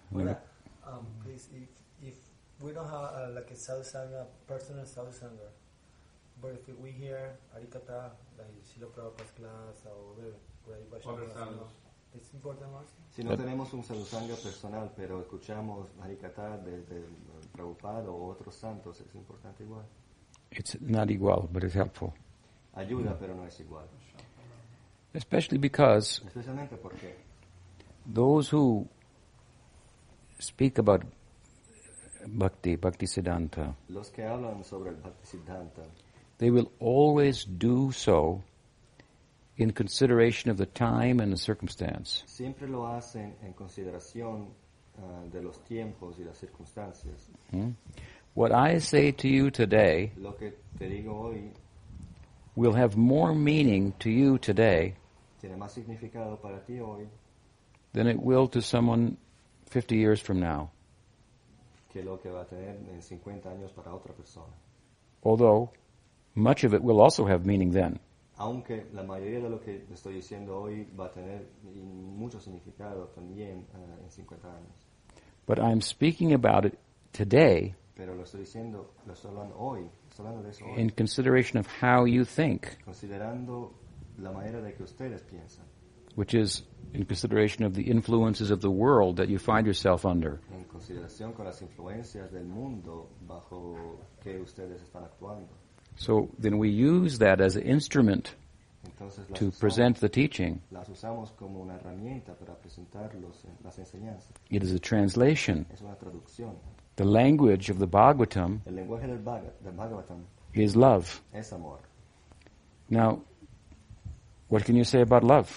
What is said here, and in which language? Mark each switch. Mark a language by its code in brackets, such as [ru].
[en] Please, if we don't have like a sadhusanga, personal sadhusanga, but if we hear arikata, like Srila Prabhupada's class or other great Vaishnavas, it's important also? [es] Si no tenemos un sadhusanga personal, pero escuchamos arikata de Prabhupada o otros santos, es importante igual. [en] It's not equal, but it's helpful. [es] Ayuda, pero no es igual. [en] Especially because [es] especialmente porque [en] those who speak about bhakti siddhanta, [es] los que hablan sobre el bhakti siddhanta, [en] they will always do so in consideration of the time and the circumstance. [es] Siempre lo hacen en consideración de los tiempos y las circunstancias. [en] What I say to you today, [es] lo que te digo hoy, [en] will have more meaning to you today, [es] tiene más significado para ti hoy, [en] than it will to someone 50 years from now. [es] Que lo que va a tener en 50 años para otra persona. [en] Although, much of it will also have meaning then. [es] Aunque la mayoría de lo que estoy diciendo hoy va a tener mucho significado también en 50 años. [en] But I'm speaking about it today. [es] Pero lo estoy diciendo, lo estoy hablando hoy, estoy hablando de eso hoy. [en] In consideration of how you think. [es] Considerando la manera de que ustedes piensan. [en] Which is in consideration of the influences of the world that you find yourself under. [es] En consideración con las influencias del mundo bajo que ustedes están actuando. [en] So then we use that as an instrument. [es] Entonces, [en] to present the teaching. [es] Las usamos como una herramienta para presentar las enseñanzas. [en] It is a translation. [es] Es una traducción. [en] The language of the Bhagavatam, [es] el lenguaje del Bhagavatam [en] is love. [es] Es amor. [en] Now, what can you say about love?